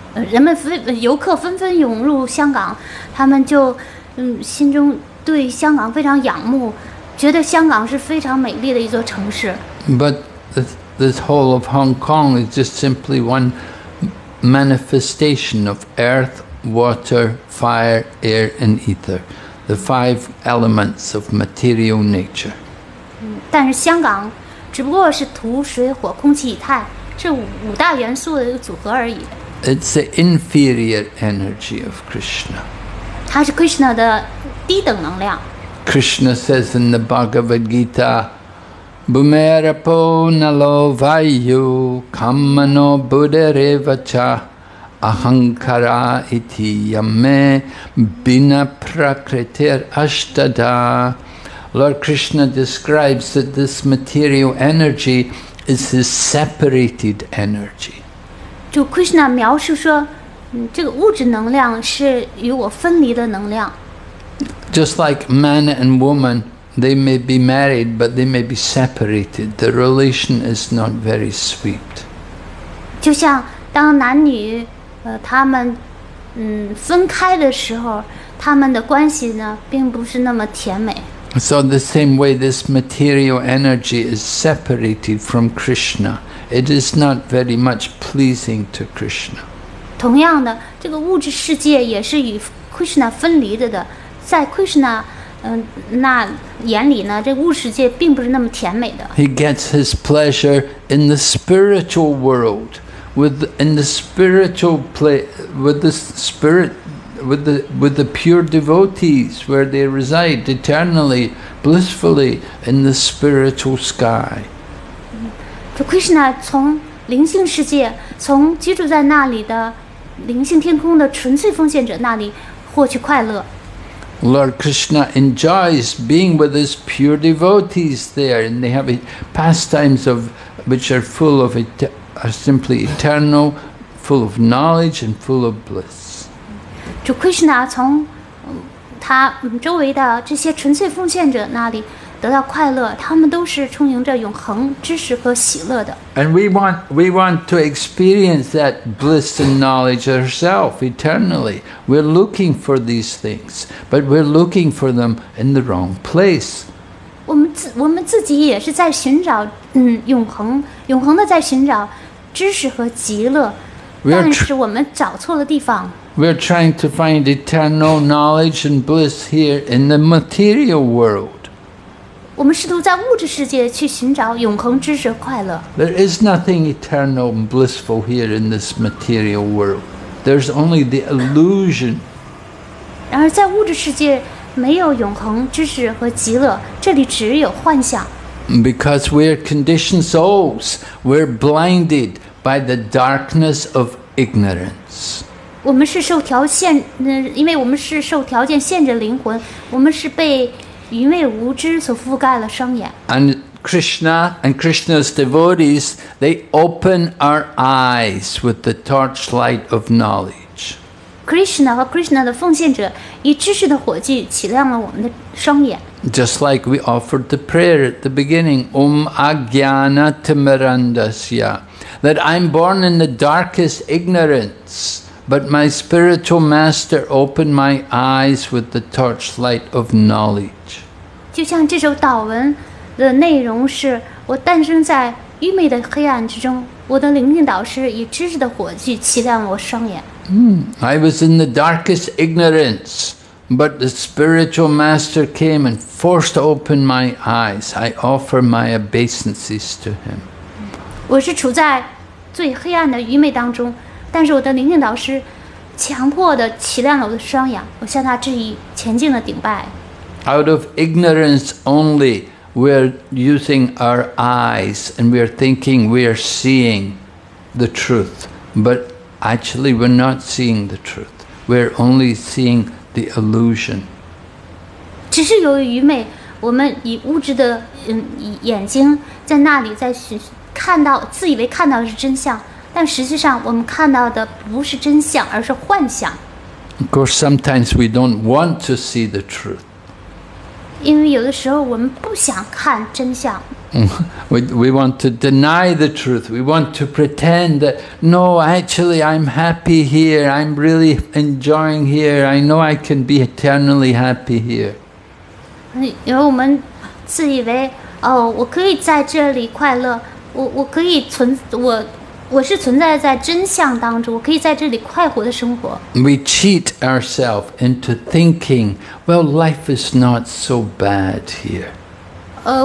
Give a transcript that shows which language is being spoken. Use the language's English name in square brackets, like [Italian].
[Chinese] 人们游客纷纷涌入香港，他们就心中对香港非常仰慕，觉得香港是非常美丽的一座城市。 [English] But this whole of Hong Kong is just simply one manifestation of earth, water, fire, air, and ether, the five elements of material nature. [Chinese] 但是香港只不过是土、水、火、空气、以太，是五大元素的一个组合而已。 [English] It's the inferior energy of Krishna. [Chinese] 它是 Krishna 的低等能量。 [English] Krishna says in the Bhagavad Gita, [Sanskrit] Bhumerapo nalo vayu kamano buddhereva cha ahankara iti yame bina prakritir ashtada. [English] Lord Krishna describes that this material energy is his separated energy. [Chinese] 主 Krishna 描述说，这个物质能量是与我分离的能量。 [English] Just like man and woman, they may be married, but they may be separated. The relation is not very sweet. [Chinese] 就像当男女，他们，分开的时候，他们的关系呢，并不是那么甜美。 [English] So the same way this material energy is separated from Krishna, it is not very much pleasing to Krishna. [Chinese] 同样的，这个物质世界也是与 Krishna 分离的，在 Krishna 那眼里呢，这物质世界并不是那么甜美的。 [English] He gets his pleasure in the spiritual world, with the pure devotees where they reside eternally, blissfully in the spiritual sky. [Chinese] So Krishna 从灵性世界，从居住在那里的灵性天空的纯粹奉献者那里获取快乐。 [English] Lord Krishna enjoys being with his pure devotees there, and they have pastimes of which are full of are simply eternal, full of knowledge and full of bliss. [Chinese] 主 Krishna 从他周围的这些纯粹奉献者那里得到快乐，他们都是充盈着永恒知识和喜乐的。 [English] And we want to experience that bliss and knowledge ourselves eternally. We're looking for these things, but we're looking for them in the wrong place. [Chinese] 我们自己也是在寻找永恒的在寻找知识和极乐，但是我们找错了地方。 [English] We're trying to find eternal knowledge and bliss here in the material world. [Chinese] 我们试图在物质世界去寻找永恒知识快乐。 [English] There is nothing eternal and blissful here in this material world. There's only the illusion. [Chinese] 然而在物质世界没有永恒知识和极乐，这里只有幻想。 [English] Because we're conditioned souls, we're blinded by the darkness of ignorance. [Chinese] 我们是受条件，因为我们是受条件限制灵魂，我们是被愚昧无知所覆盖了双眼。 [English] And Krishna and Krishna's devotees, they open our eyes with the torchlight of knowledge. [Chinese] Krishna 和 Krishna 的奉献者以知识的火炬起亮了我们的双眼。 [English] Just like we offered the prayer at the beginning, [Sanskrit] Om Ajnana Timirandasya, [English] that I'm born in the darkest ignorance, but my spiritual master opened my eyes with the torchlight of knowledge. [Chinese] 就像这首祷文的内容是，我诞生在愚昧的黑暗之中，我的灵性导师以知识的火炬起亮我双眼。 [English] I was in the darkest ignorance, but the spiritual master came and forced open my eyes. I offer my obeisances to him. [Chinese] 我是处在最黑暗的愚昧当中，但是我的灵性导师强迫地起亮了我的双眼，我向他致以前进的顶拜。 [English] Out of ignorance only, we are using our eyes and we are thinking we are seeing the truth, but actually we're not seeing the truth. We're only seeing the illusion. [Chinese] 只是由于愚昧，我们以物质的眼睛在那里在看到，自以为看到的是真相。但实际上我们看到的不是真相，而是幻想。 [English] Of course, sometimes we don't want to see the truth. [Chinese] 因为有的时候我们不想看真相。 [English] We want to deny the truth. We want to pretend that, no, actually I'm happy here. I'm really enjoying here. I know I can be eternally happy here. [Chinese] 因为我们自以为，哦，我可以在这里快乐，我可以存，我是存在在真相当中，我可以在这里快活的生活。 [English] We cheat ourselves into thinking, well, life is not so bad here.